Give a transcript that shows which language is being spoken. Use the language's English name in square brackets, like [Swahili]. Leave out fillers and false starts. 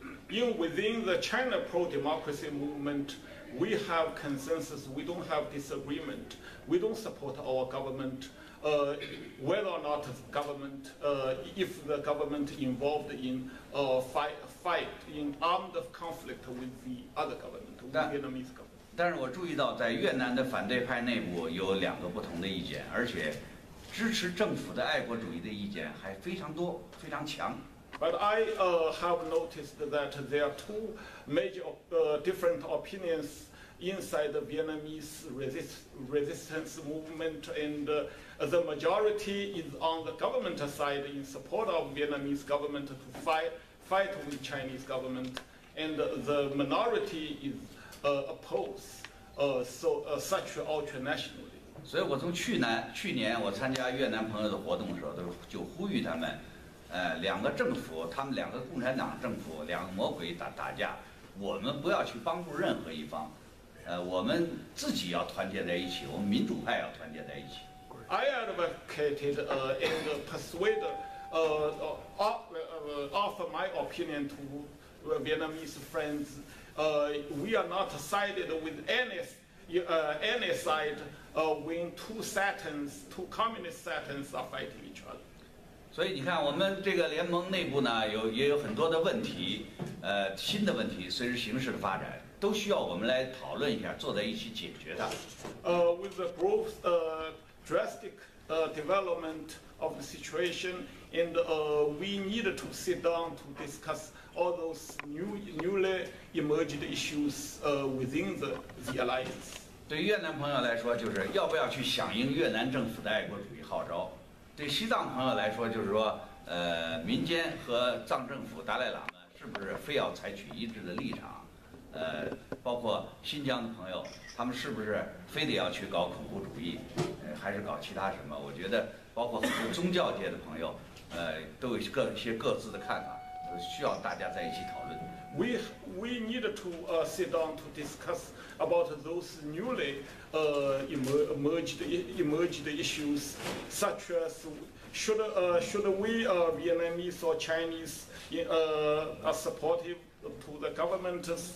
[English] In within the China pro-democracy movement, we have consensus. We don't have disagreement. We don't support our government. Whether or not the government, if the government involved in fight in armed conflict with the other government, with the Vietnamese government. [Chinese] 但是我注意到，在越南的反对派内部有两个不同的意见，而且支持政府的爱国主义的意见还非常多，非常强。 [English] But I have noticed that there are two major different opinions inside the Vietnamese resistance movement, and the majority is on the government side in support of Vietnamese government to fight with Chinese government, and the minority is oppose such ultra-nationalism. [Chinese] 所以我从去年我参加越南朋友的活动的时候，都就呼吁他们，两个政府，他们两个共产党政府，两个魔鬼打架，我们不要去帮助任何一方，我们自己要团结在一起，我们民主派要团结在一起。 [English] I advocated and persuaded offer my opinion to Vietnamese friends. We are not sided with any side. When two satans, two communist satans are fighting each other. [Chinese] 所以你看，我们这个联盟内部呢，也有很多的问题，新的问题，随着形势的发展，都需要我们来讨论一下，坐在一起解决它。 [English] With the growth, drastic development of the situation, and we need to sit down to discuss all those newly emerged issues within the alliance. [Chinese] 对越南朋友来说，就是要不要去响应越南政府的爱国主义号召；对西藏朋友来说，就是说，民间和藏政府、达赖喇嘛是不是非要采取一致的立场？包括新疆的朋友，他们是不是非得要去搞恐怖主义，还是搞其他什么？我觉得，包括很多宗教界的朋友，都有各自的看法，需要大家在一起讨论。 [English] We need to sit down to discuss about those newly emerged issues, such as should we Vietnamese or Chinese are supportive to the government,